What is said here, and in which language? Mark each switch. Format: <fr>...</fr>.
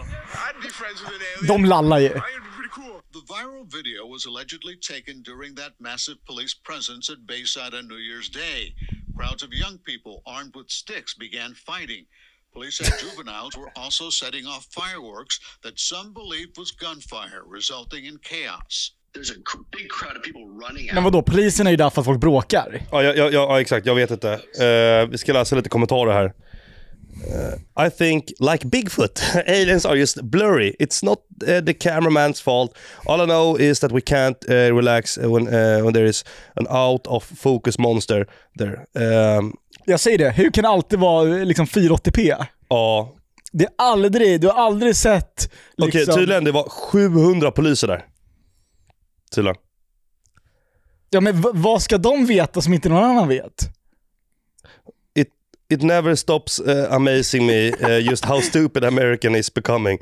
<en>I'd be friends with an alien.</en> <sv>De lallar ju.</sv> <en>The viral video was allegedly taken during that massive police presence at Bayside on New Year's Day. Crowds of young people armed with sticks began fighting. Police and juveniles were also setting off fireworks that some believe was gunfire, resulting in chaos. There's a big crowd of people running out.</en> <sv>Men vadå, polisen är ju där för att folk bråkar. Ja, exakt, jag vet inte. Vi ska läsa lite kommentarer här.</sv> <en>I think, like Bigfoot, aliens are just blurry. It's not the cameraman's fault. All I know is that we can't relax when there is an out-of-focus monster there.</en> <sv>Jag säger det. Hur kan det alltid vara liksom 480p? Ja. Det är aldrig, du har aldrig sett... Liksom... Okej, tydligen det var 700 poliser där. Tydligen. Ja, men vad ska de veta som inte någon annan vet?</sv> <en>It never stops amazing me just how stupid American is becoming.</en>